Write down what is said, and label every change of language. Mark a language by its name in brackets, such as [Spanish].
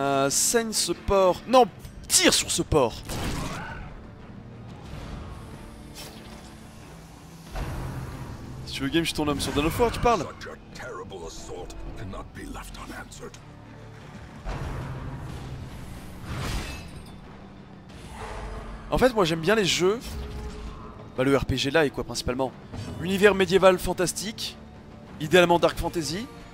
[French] Saigne ce porc. Non, tire sur ce porc! Si tu veux game, je suis ton homme. Sur Dawn of War, tu parles? [English] Such a terrible assault cannot be left unanswered. [French] En fait, moi j'aime bien les jeux. Bah, le RPG là et quoi, principalement. Univers médiéval fantastique. Idéalement Dark Fantasy.